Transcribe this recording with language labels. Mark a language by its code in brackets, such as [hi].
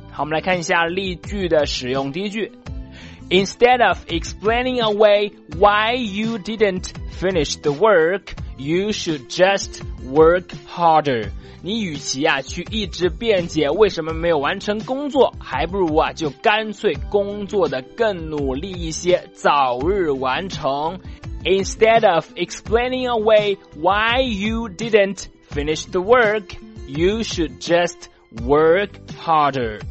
[zh] 好，我们来看一下例句的使用。第一句， [en] Instead of explaining away why you didn't finish the work, you should just work harder. [zh] 你与其啊去一直辩解为什么没有完成工作，还不如啊就干脆工作的更努力一些，早日完成。 [en] Instead of explaining away why you didn't finish the work, you should just work harder.